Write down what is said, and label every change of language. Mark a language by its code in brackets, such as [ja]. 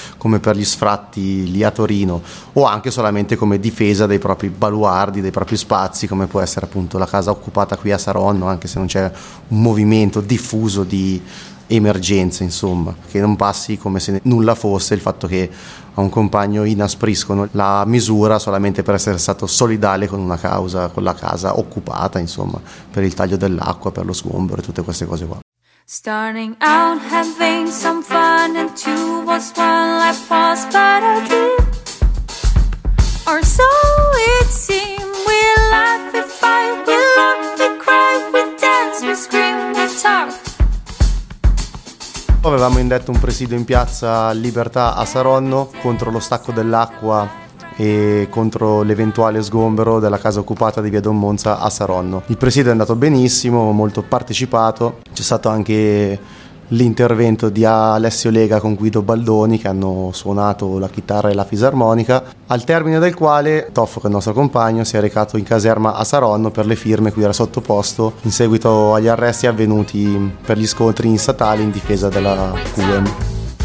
[it] come per gli sfratti lì a Torino, o anche solamente come difesa dei propri baluardi, dei propri spazi, come può essere appunto la casa occupata qui a Saronno, anche se non c'è un movimento diffuso di emergenza, insomma, che non passi come se nulla fosse il fatto che a un compagno inaspriscono la misura solamente per essere stato solidale con una causa, con la casa occupata, insomma, per il taglio dell'acqua, per lo sgombro e tutte queste cose qua. [en] Starting out having some fun and two was one life was but a dream. Or so it seemed. We laugh, we fight, we love, we cry, we dance, we scream, we talk. [it] Avevamo indetto un presidio in piazza Libertà a Saronno contro lo stacco dell'acqua e contro l'eventuale sgombero della casa occupata di via Don Monza a Saronno. Il presidio è andato benissimo, molto partecipato, c'è stato anche l'intervento di Alessio Lega con Guido Baldoni, che hanno suonato la chitarra e la fisarmonica, al termine del quale Toffo, che è il nostro compagno, si è recato in caserma a Saronno per le firme cui era sottoposto in seguito agli arresti avvenuti per gli scontri in statale in difesa della QM.